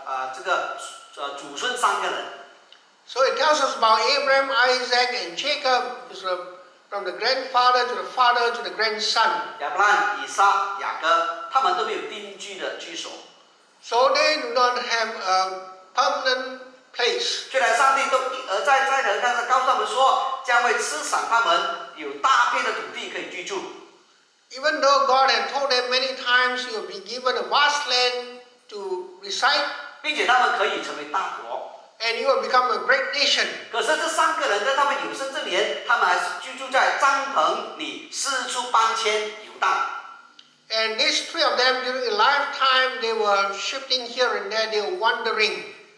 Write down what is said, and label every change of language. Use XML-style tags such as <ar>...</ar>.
<zh>作者就提到了亚伯拉罕、以撒和雅各，其实这三个人呢是这个的祖孙三个人。</zh> <en>So it tells us about Abraham, Isaac, and Jacob, is a from the grandfather to the father to the grandson.</en> <zh>亚伯拉罕、以撒、雅各，他们都没有定居的居所。</zh> <en>So they do not have a permanent place.</en> <zh>虽然上帝都一而再再而三地告诉他们说，将会赐赏他们有大片的土地可以居住。</zh> <en>Even though God had told them many times, you will be given a vast land to reside.</en> <zh>并且他们可以成为大国。</zh> <en>And you will become a great nation.</en> <zh>可是这三个人在他们有生之年，他们还是居住在帐篷里，四处搬迁游荡。</zh> <en>And these three of them during a lifetime, they were shifting here and there, they were wandering.</en>